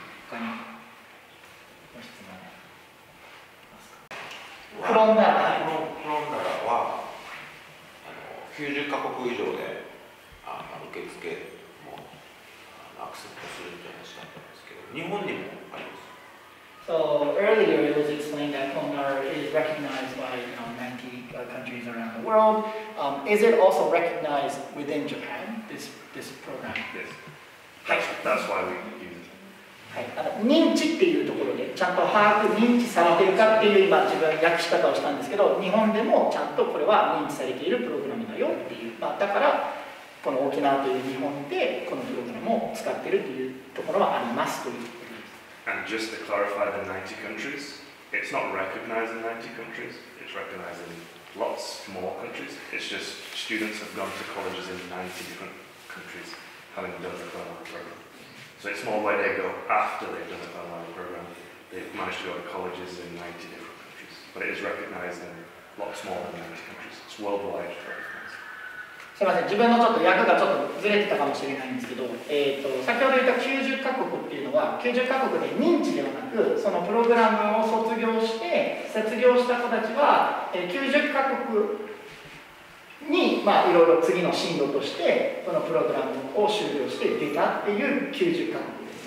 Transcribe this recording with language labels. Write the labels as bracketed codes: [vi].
[ja] 他にご質問ありますか？フロンダラ、はい、フロンダラはあの90カ国以上で受付もアクセントするんじゃないですか、ですけど日本にもあります。 [en] So earlier it was explained that CONAR is recognized by you know, 90 countries around the world. Is it also recognized within Japan, this program? Yes. That's why we use it. [ja] 認知っていうところでちゃんと把握、認知されてるかっていう今自分訳し方をしたんですけど、日本でもちゃんとこれは認知されているプログラムだよっていう、まあ、だからこの沖縄という日本でこのプログラムを使ってるっていうところはありますという。 [en] And just to clarify the 90 countries, it's not recognized in 90 countries, it's recognized in lots more countries. It's just students have gone to colleges in 90 different countries having done the CONAR program. So it's more where they go after they've done the CONAR program, they've managed to go to colleges in 90 different countries. But it is recognized in lots more than 90 countries. It's worldwide recognized. Okay. [ja] すみません、自分のちょっと訳がちょっとずれてたかもしれないんですけど、先ほど言った90カ国っていうのは90カ国で認知ではなく、そのプログラムを卒業して卒業した子たちは90カ国に、まあ、いろいろ次の進路としてそのプログラムを終了して出たっていう90カ国です。